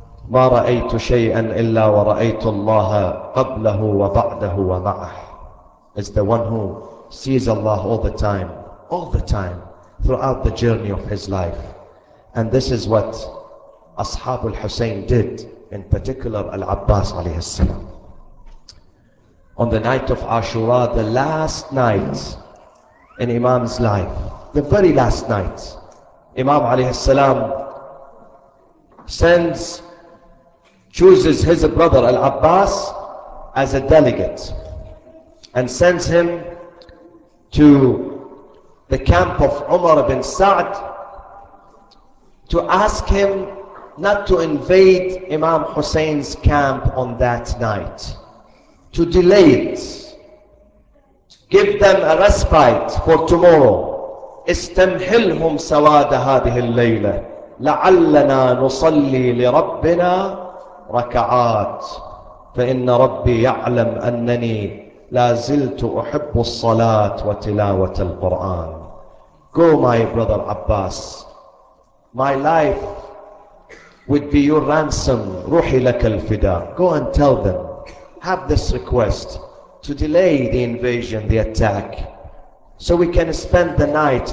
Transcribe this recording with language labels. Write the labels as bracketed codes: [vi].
[ar] ما رأيت شيئا إلا ورأيت الله قبله وبعده ومعه. [en] As the one who sees Allah all the time, throughout the journey of his life. And this is what Ashab al-Husayn did, in particular Al-Abbas alayhi salam. On the night of Ashura, the last night in Imam's life, the very last night, Imam alayhi salam chooses his brother Al-Abbas as a delegate and sends him to the camp of Umar ibn Sa'd to ask him not to invade Imam Hussein's camp on that night, to delay it, to give them a respite for tomorrow. [ar] استمهلهم سواد هذه الليلة لعلنا نصلي لربنا ركعات فإن ربي يعلم أنني لازلت أحب الصلاة وتلاوة القرآن. [en] Go my brother Abbas, my life would be your ransom. [ar] روحي لك الفداء. [en] Go and tell them, have this request to delay the invasion, the attack, so we can spend the night.